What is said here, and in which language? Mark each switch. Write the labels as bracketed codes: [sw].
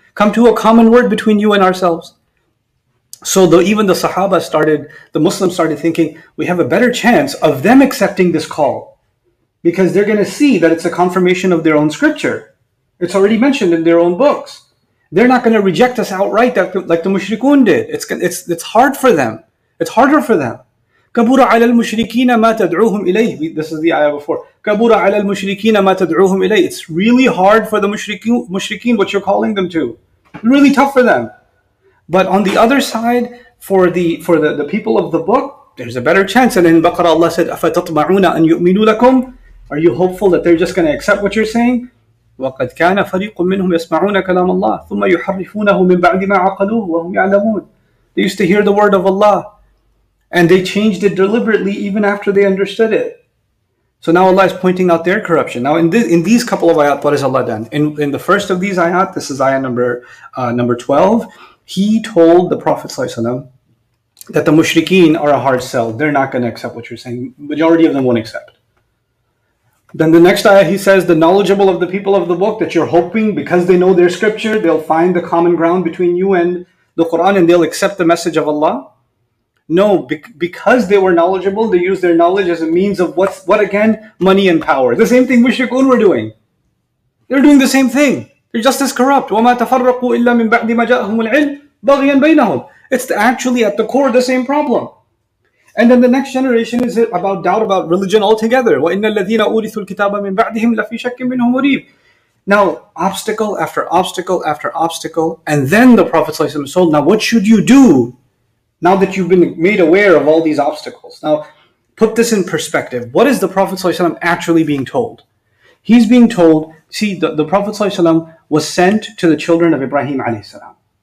[en] Come to a common word between you and ourselves. So even the Sahaba started, the Muslims started thinking, we have a better chance of them accepting this call. Because they're going to see that it's a confirmation of their own scripture. It's already mentioned in their own books. They're not going to reject us outright like the mushrikun did. It's hard for them. It's harder for them. [ar] كَبُرَ عَلَى الْمُشْرِكِينَ مَا تَدْعُوهُمْ إِلَيْهِ [en] This is the ayah before. [ar] كَبُرَ عَلَى الْمُشْرِكِينَ مَا تَدْعُوهُمْ إِلَيْهِ [en] It's really hard for the mushrikeen what you're calling them to. Really tough for them. But on the other side, for the people of the book, there's a better chance. And in Baqarah, Allah said, [ar] أَفَتَطْمَعُونَ أَن يُؤْمِنُوا لَكُمْ [en] Are you hopeful that they're just going to accept what you're saying? [ar] وَقَدْ كَانَ فَرِيقٌ مِّنْهُمْ يَسْمَعُونَ كَلَامَ اللَّهِ ثُمَّ يُحَرِّفُونَهُ مِن بَعْدِ مَا عَقَلُوهُ وَهُمْ يَعْلَمُونَ [en] They used to hear the word of Allah. And they changed it deliberately even after they understood it. So now Allah is pointing out their corruption. Now in these couple of ayat, what has Allah done? In the first of these ayat, this is ayah number 12, He told the Prophet ﷺ that the mushrikeen are a hard sell. They're not going to accept what you're saying. Majority of them won't accept. Then the next ayah, He says, the knowledgeable of the people of the book that you're hoping because they know their scripture, they'll find the common ground between you and the Quran and they'll accept the message of Allah. No, because they were knowledgeable, they used their knowledge as a means of what again? Money and power. The same thing mushrikun were doing. They're doing the same thing. They're just as corrupt. [ar] وَمَا تَفَرَّقُوا إِلَّا مِنْ بَعْدِ مَا جَاءَهُمُ الْعِلْمِ بَغْيًا بَيْنَهُمْ [en] It's actually at the core the same problem. And then the next generation is about doubt about religion altogether. [ar] وَإِنَّ الَّذِينَ أُورِثُوا الْكِتَابَ مِنْ بَعْدِهِمْ لَفِي شَكٍّ مِنْهُ مُرِيبٍ [en] Now, obstacle after obstacle after obstacle. And then the Prophet ﷺ is told, now what should you do? Now that you've been made aware of all these obstacles. Now, put this in perspective. What is the Prophet ﷺ actually being told? He's being told, see, the Prophet ﷺ was sent to the children of Ibrahim ﷺ.